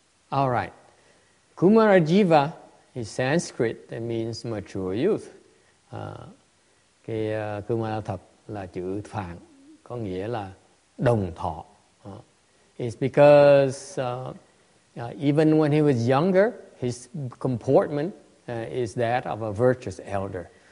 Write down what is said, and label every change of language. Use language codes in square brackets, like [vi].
[en] All right, Kumara Jiva is Sanskrit, that means mature youth. [vi] Kumara Thập là chữ phạn, có nghĩa là đồng thọ. [en] It's because even when he was younger, his comportment is that of a virtuous elder.